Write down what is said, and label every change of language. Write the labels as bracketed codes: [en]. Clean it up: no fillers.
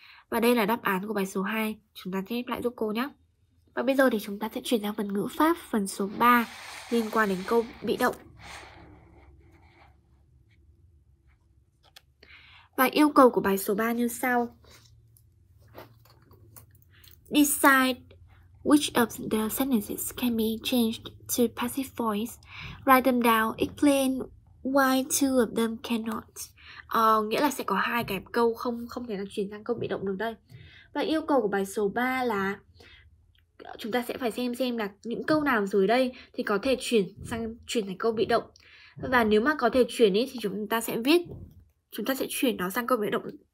[vi] Và đây là đáp án của bài số 2. Chúng ta sẽ lại giúp cô nhé. Và bây giờ thì chúng ta sẽ chuyển sang phần ngữ pháp, phần số 3 liên quan đến câu bị động. Và yêu cầu của bài số 3 như sau. [en] Decide which of the sentences can be changed to passive voice. Write them down. Explain why two of them cannot. [vi] Nghĩa là sẽ có hai cái câu không thể nào chuyển sang câu bị động được đây. Và yêu cầu của bài số 3 là chúng ta sẽ phải xem là những câu nào dưới đây thì có thể chuyển thành câu bị động. Và nếu mà có thể chuyển ý, thì chúng ta sẽ chuyển nó sang câu bị động.